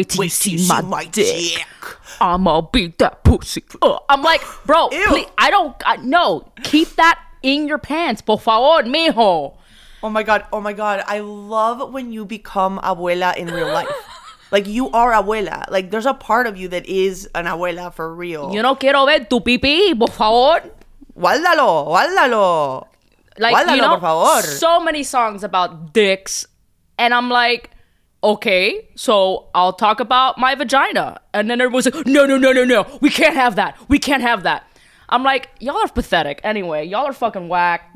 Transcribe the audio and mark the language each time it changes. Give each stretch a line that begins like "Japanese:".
English: Wait till you see my dick. I'ma beat that pussy. I'm like, bro, please, no. Keep that in your pants.
Spanish: Por favor, mijo.
English: Oh my God. Oh my God. I love when you become abuela in real life. Like, you are abuela. Like, there's a part of you that is an abuela for real.
Spanish: Yo no quiero ver tu pipí, por favor. Guárdalo.
English: Like,
Spanish: guárdalo,
English: you know,
Spanish: por favor.
English: So many songs about dicks. And I'm like, okay, so I'll talk about my vagina. And then everyone's like, no. We can't have that. I'm like, y'all are pathetic. Anyway, y'all are fucking whack.